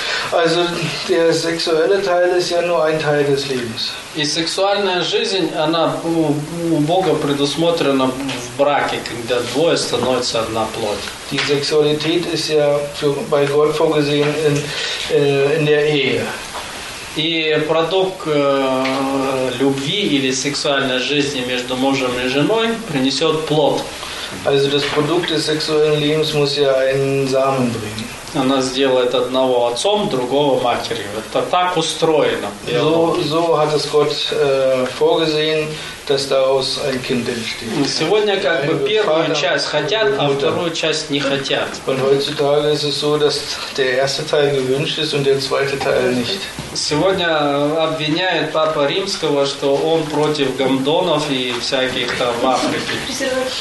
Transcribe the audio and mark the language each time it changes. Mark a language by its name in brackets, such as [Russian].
[German] Also der sexuelle Teil ist ja nur ein Teil des Lebens. [Russian] И сексуальная жизнь, она у Бога предусмотрена в браке, когда двое становятся одна плоть. [German] Die Sexualität ist ja bei Gott vorgesehen in der Ehe. [Russian] И продукт любви или сексуальной жизни между мужем и женой принесет плод. [German] Also das Produkt des sexuellen Lebens muss ja einen Samen bringen. [Russian] Она сделает одного отцом, другого матерью. Это так устроено. [German] So hat es Gott vorgesehen, dass daraus ein Kind entsteht. [Russian] Сегодня как бы первую часть хотят, а вторую часть не хотят. [German] Und heutzutage ist es so, dass der erste Teil gewünscht ist und der zweite Teil nicht. [Russian] Сегодня обвиняют Папа Римского, что он против гондонов и всяких там в Африке.